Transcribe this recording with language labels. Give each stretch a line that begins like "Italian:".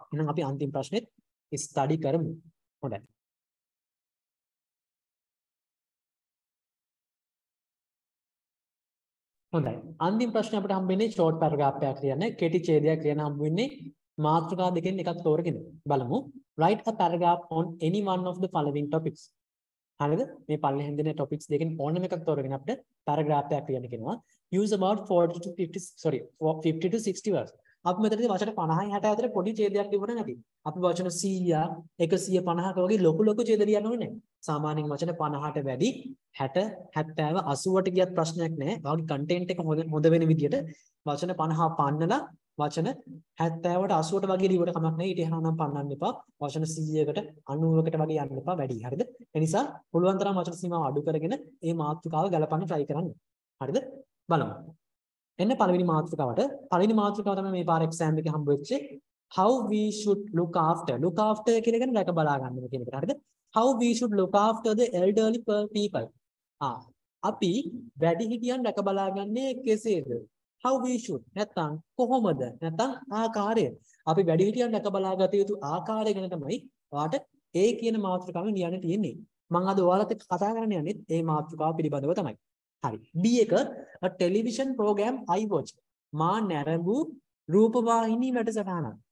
Sinhala: එහෙනම් අපි අන්තිම ප්‍රශ්නේ ස්ටඩි කරමු. හොඳයි. හොඳයි. අන්තිම ප්‍රශ්න අපිට හම්බෙන්නේ ෂෝට් පැරග්‍රාෆ් එකක් කියන්නේ කෙටි ඡේදයක් කියන හම්බ වෙන්නේ මාතෘකා දෙකෙන් එකක් තෝරගෙන බලමු.
English: Write a paragraph on any one of the following topics.
Sinhala: හරිද? මේ පළවෙනි හැඳින්වෙන topics දෙකෙන් ඕනම එකක් තෝරගෙන අපිට paragraph එකක් කියන්න කියනවා.
English: Use about 40 to 50 sorry 50 to 60 words.
Sinhala: අපි මෙතනදී වචන 50යි 60 අතර පොඩි ඡේදයක් තිබුණ නැති. අපි වචන 100ක් 150ක වගේ ලොකු ලොකු ඡේද ලියන්න ඕනේ නැහැ. සාමාන්‍යයෙන් වචන 50ට වැඩි 60 70 80ට ගියත් ප්‍රශ්නයක් නැහැ. වාගේ කන්ටෙන්ට් එක හොඳ වෙන විදියට වචන 50 පන්නලා වචන 70ට 80ට වගේ ලියවට කමක් නැහැ. ඊට එහා නම් පන්නන්න එපා. වචන 100කට 90කට වගේ යන්න එපා වැඩි. හරිද? ඒ නිසා පුළුවන් තරම් වචන සීමාව අඩු කරගෙන මේ මාතෘකාව ගලපන්න try කරන්න. හරිද? බලමු. එන්න පළවෙනි මාතෘකාව තමයි මේ පාර exam එකේ හම්බ වෙච්ච
English: how we should look after
Sinhala: කියලා කියන එක බලා ගන්න ඕනේ කියන එක. හරිද?
English: How we should look after the elderly people.
Sinhala: අපි වැඩිහිටියන් රැක බලාගන්නේ කෙසේද?
English: How we should
Sinhala: නැත්නම් කොහොමද නැත්නම් ආකාරය. අපි වැඩිහිටියන් රැක බලාගත යුතු ආකාරය ගැන තමයි ඔයාලට ඒ කියන මාතෘකාවෙන් කියන්න තියෙන්නේ. මම අද ඔයාලත් එක්ක කතා කරන්න යන්නේ මේ මාතෘකාව පිළිබඳව තමයි. හරි.
English: B එක a television program I watch.
Sinhala: මා නැරඹු රූපවාහිනී වැඩසටහනක්.